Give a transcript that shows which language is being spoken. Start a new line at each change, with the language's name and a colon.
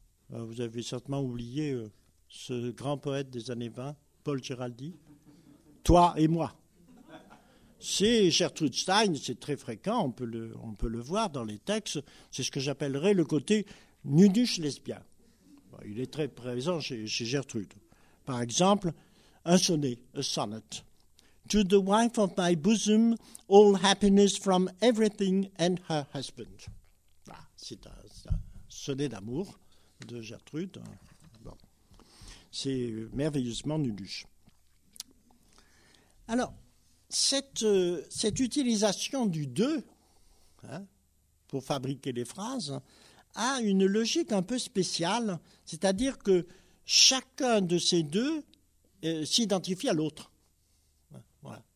French: Vous avez certainement oublié ce grand poète des années 20, Paul Géraldi, toi et moi. C'est Gertrude Stein, c'est très fréquent, on peut le voir dans les textes, c'est ce que j'appellerais le côté nunuche lesbien. Il est très présent chez Gertrude. Par exemple, un sonnet,
English: a sonnet. To the wife of my bosom, all happiness from everything and her husband.
French: C'est un sonnet d'amour de Gertrude. Bon. C'est merveilleusement nunuche. Alors, cette utilisation du « deux » pour fabriquer les phrases a une logique un peu spéciale, c'est-à-dire que chacun de ces deux s'identifie à l'autre. Voilà.